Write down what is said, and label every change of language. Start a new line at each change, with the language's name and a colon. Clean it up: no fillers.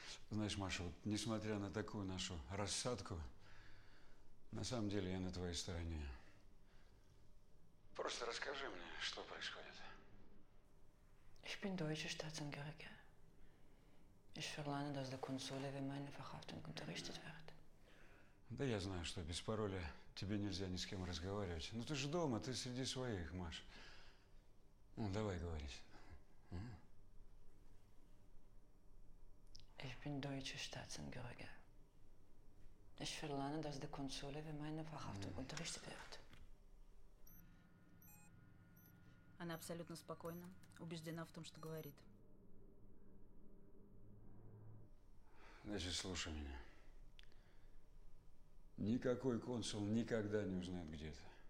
Russian: знаешь, Маша, вот несмотря на такую нашу рассадку, на самом деле я на твоей стороне. Просто расскажи мне, что происходит.
German: Ich bin deutsche Staatsangehörige. Ich verlange, dass der Konsul über meine Verhaftung unterrichtet wird.
Russian: Да я знаю, что без пароля тебе нельзя ни с кем разговаривать. Но ты же дома, ты среди своих, Маш. Ну, давай говорить.
German: Ich bin deutsche Staatsangehörige. Ich verlange, dass der Konsul über meine Verhaftung unterrichtet wird.
Russian: Она абсолютно спокойна, убеждена в том, что говорит. Значит, слушай меня. Никакой консул никогда не узнает, где ты.